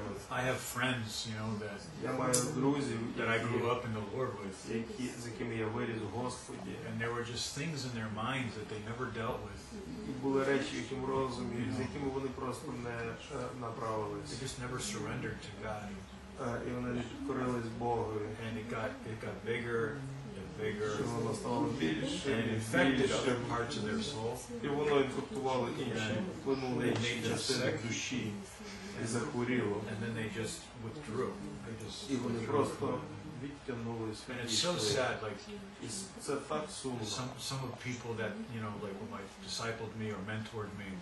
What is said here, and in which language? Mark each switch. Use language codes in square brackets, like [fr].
[en] I have friends, you know, that I grew up in the Lord with. And there were just things in their minds that they never dealt with. They just never surrendered to God. [uk] І вони відкорились Богу. [en] And it got bigger and bigger. [uk] І воно стало більше. [en] And infected other parts of their soul. [uk] І воно інфектувало інші. Вплинуло інші частини душі. І захворіло. [en] And then they just withdrew. [uk] І вони просто відтягнулись. [en] And it's so sad, like, [uk] це так сумно. [en] Some of people that, you know, like, what might have discipled me or mentored me.